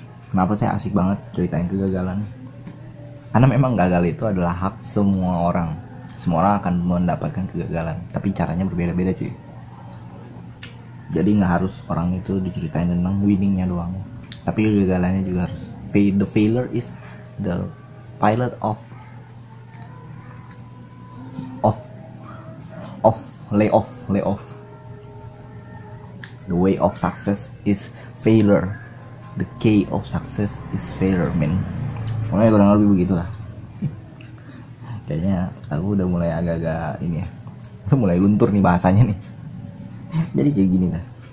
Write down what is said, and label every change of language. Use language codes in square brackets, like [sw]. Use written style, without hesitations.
[id] Kenapa saya asik banget ceritain kegagalan? Karena memang gagal itu adalah hak semua orang. Semua orang akan mendapatkan kegagalan, tapi caranya berbeda-beda, cuy. Jadi nggak harus orang itu diceritain tentang winningnya doang, tapi kegagalannya juga harus. [en] The failure is the pilot of layoff. The way of success is failure. The key of success is failure, man. [id] Pokoknya kurang lebih begitulah. Kayaknya aku udah mulai agak-agak ini ya. Udah mulai luntur nih bahasanya nih. Jadi kayak gini dah.